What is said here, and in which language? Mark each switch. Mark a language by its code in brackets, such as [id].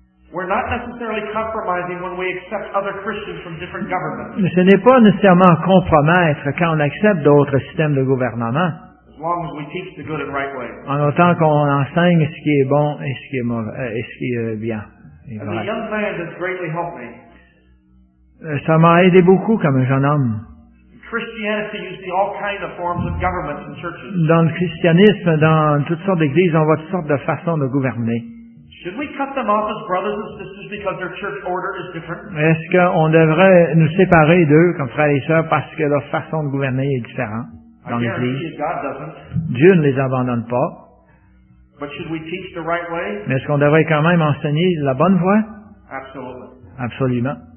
[en] we're not necessarily compromising when we accept other Christians from different governments. [fr] Mais ce n'est pas nécessairement compromettre quand on accepte d'autres systèmes de gouvernement. [en] As long as we teach the good and right way. [fr] En autant qu'on enseigne ce qui est bon et ce qui est mauvais, et ce qui est bien. [en] As a young man has greatly helped me. [fr] Ça m'a aidé beaucoup comme un jeune homme. [en] Christianity, you see all kinds of forms of governments and churches. [fr] Dans le christianisme, dans toutes sortes d'églises, on voit toutes sortes de façons de gouverner. [en] Should we cut them off as brothers and sisters because their church order is different? [fr] Est-ce qu'on devrait nous séparer d'eux comme frères et sœurs parce que leur façon de gouverner est différente? Dans l'Église, Dieu ne les abandonne pas. [en] But should we teach the right way? [fr] Mais est-ce qu'on devrait quand même enseigner la bonne voie? Absolument.